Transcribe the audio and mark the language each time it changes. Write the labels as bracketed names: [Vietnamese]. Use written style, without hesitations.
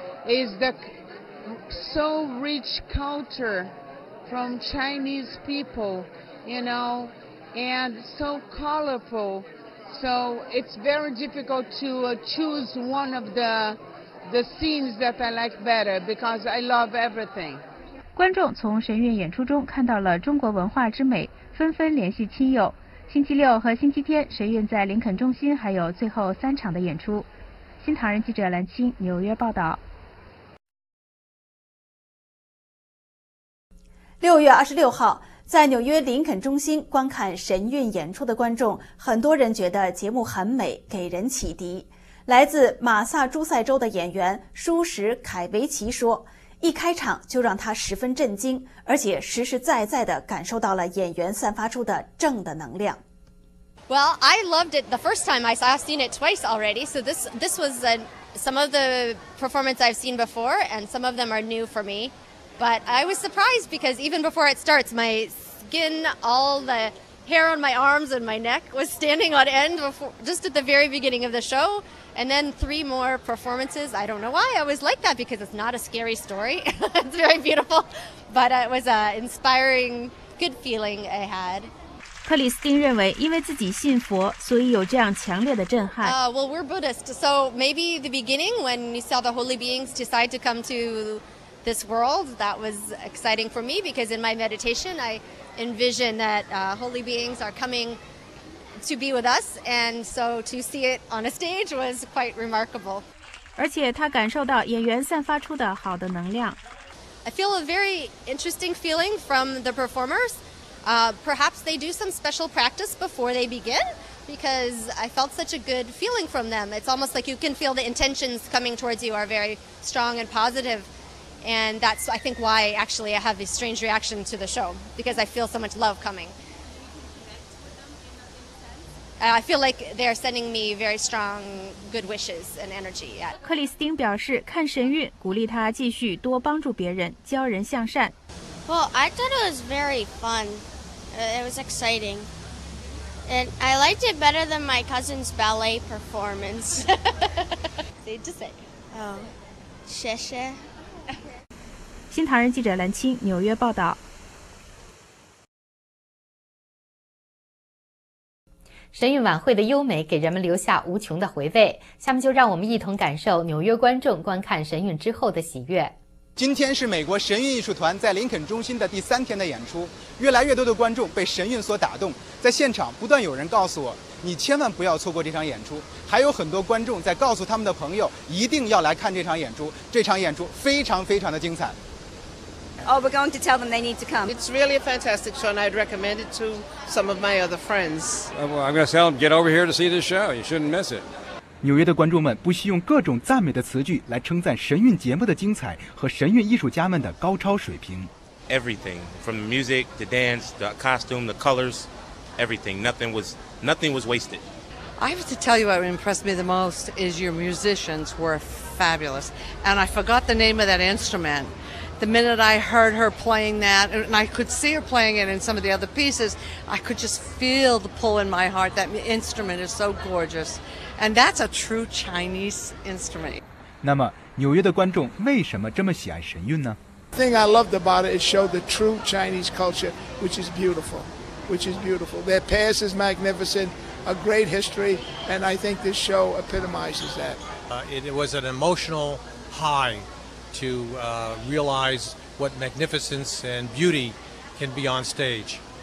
[English] Is the so rich culture from Chinese people, you know, and so colorful, So it's very difficult to choose one of the scenes that I like better because I love everything. [Chinese] 观众从神韵演出中看到了中国文化之美，纷纷联系亲友。星期六和星期天，神韵在林肯中心还有最后三场的演出。新唐人记者蓝青，纽约报道。 6月26号，在纽约林肯中心观看神韵演出的观众，很多人觉得节目很美，给人启迪。来自马萨诸塞州的演员舒什·凯维奇说，一开场就让他十分震惊，而且实实在在地感受到了演员散发出的正的能量。 [English] Well, I loved it the first time. I've seen it twice already. So this was some of the performance I've seen before, and some of them are new for me. But I was surprised because even before it starts, my skin, all the hair on my arms and my neck was standing on end before, just at the very beginning of the show. And then 3 more performances. I don't know why I was like that, because it's not a scary story. It's very beautiful. But it was an inspiring, good feeling I had. [Chinese] 克里斯汀认为因为自己信佛，所以有这样强烈的震撼。 [English] Well, we're Buddhist. So maybe the beginning when you saw the holy beings decide to come to this world, that was exciting for me because in my meditation, I envision that holy beings are comingto be with us, and so to see it on a stage was quite remarkable. [Chinese] 而且他感受到演员散发出的好的能量。 [English] I feel a very interesting feeling from the performers. Perhaps they do some special practice before they begin, because I felt such a good feeling from them. It's almost like you can feel the intentions coming towards you are very strong and positive. And that's, I think, why actually I have a strange reaction to the show, because I feel so much love coming. I feel like they're sending me very strong good wishes and energy. Yeah. [Chinese] 克里斯汀表示，看神韵鼓励他继续多帮助别人，教人向善。 [English] Well, I thought it was very fun. It was exciting. And I liked it better than my cousin's ballet performance. They just say, "Oh, [Chinese] 谢谢." 新唐人记者蓝青，纽约报道。神韵晚会的优美给人们留下无穷的回味，下面就让我们一同感受纽约观众观看神韵之后的喜悦。今天是美国神韵艺术团在林肯中心的第三天的演出，越来越多的观众被神韵所打动，在现场不断有人告诉我，你千万不要错过这场演出，还有很多观众在告诉他们的朋友一定要来看这场演出，这场演出非常非常的精彩。 [English] Oh, we're going to tell them they need to come. It's really a fantastic show, and I'd recommend it to some of my other friends. Well, I'm going to tell them, get over here to see this show. You shouldn't miss it. [Chinese] 纽约的观众们不惜用各种赞美的词句来称赞神韵节目的精彩和神韵艺术家们的高超水平。 [English] Everything, from the music, the dance, the costume, the colors, everything. Nothing was wasted. I have to tell you what impressed me the most is your musicians were fabulous. And I forgot the name of that instrument. The minute I heard her playing that, and I could see her playing it in some of the other pieces, I could just feel the pull in my heart. That instrument is so gorgeous. And that's a true Chinese instrument. [Chinese] 那么纽约的观众为什么这么喜爱神韵呢？ [English] The thing I loved about it, it showed the true Chinese culture, which is beautiful, which is beautiful. Their past is magnificent, a great history, and I think this show epitomizes that. It was an emotional high. To realize what magnificence and beauty can be on stage.